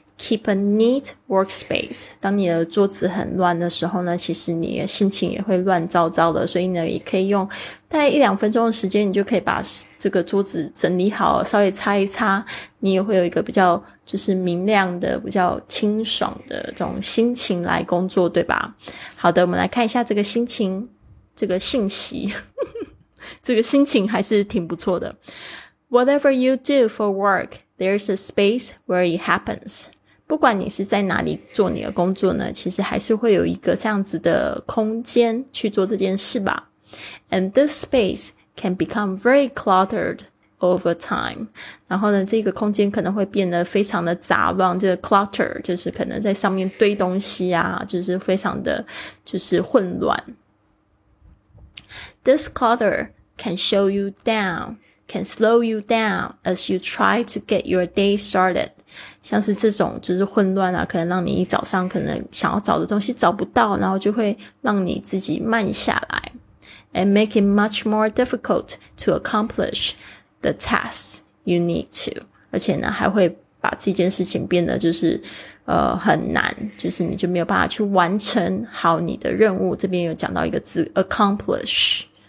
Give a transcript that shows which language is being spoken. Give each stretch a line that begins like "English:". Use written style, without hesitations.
English: keep a neat workspace，
Chinese: 当你的桌子很乱的时候呢，其实你的心情也会乱糟糟的，所以呢也可以用大概一两分钟的时间，你就可以把这个桌子整理好，稍微擦一擦，你也会有一个比较就是明亮的比较清爽的这种心情来工作，对吧？好的，我们来看一下这个心情，这个信息这个心情还是挺不错的。
English: Whatever you do for work, there's a space where it happens。
Chinese: 不管你是在哪里做你的工作呢，其实还是会有一个这样子的空间去做这件事吧。
English: And this space can become very cluttered over time。
Chinese: 然后呢这个空间可能会变得非常的杂乱，这个 clutter 就是可能在上面堆东西啊，就是非常的就是混乱。
English: This clutter can slow you down, can slow you down as you try to get your day started。
Chinese: 像是这种就是混乱啊，可能让你一早上可能想要找的东西找不到，然后就会让你自己慢下来。
English: And make it much more difficult to accomplish the tasks you need to.
Chinese: 而且呢还会把这件事情变得就是很难，就是你就没有办法去完成好你的任务。这边有讲到一个字 accomplish